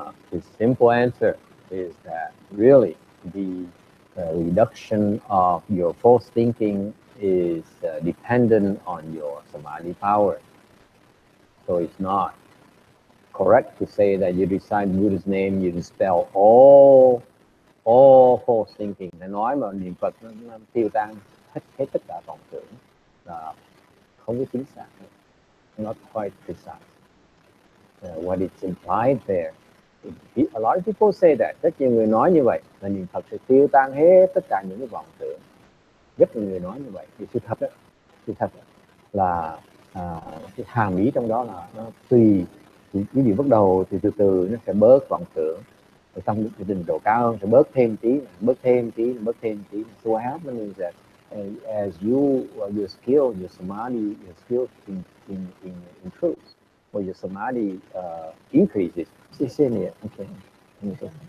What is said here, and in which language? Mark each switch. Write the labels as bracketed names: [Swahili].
[English] The simple answer is that really the reduction of your false thinking is dependent on your samadhi power. So it's not correct to say that you recite Buddha's name, you dispel all false thinking. [Vietnamese] Nên nói mà niệm Phật nó tiêu tan hết hết tất cả vọng tưởng là không có chính xác. [English] Not quite precise. What it's implied there. A lot of people say that. [Vietnamese] Rất nhiều người nói như vậy là niệm Phật sẽ tiêu tan hết tất cả những cái vọng tưởng. Rất nhiều người nói như vậy. Thì sự thật đó, sự thật đó. Là cái hàm ý trong đó là nó tùy cái điều bắt đầu thì từ từ nó sẽ bớt vọng tưởng. Rồi trong cái trình độ cao hơn sẽ bớt thêm tí, bớt thêm tí, bớt thêm tí. [English] So what happens is that as you your skill, your samadhi, your skill in improves, or your samadhi increases. See, see here.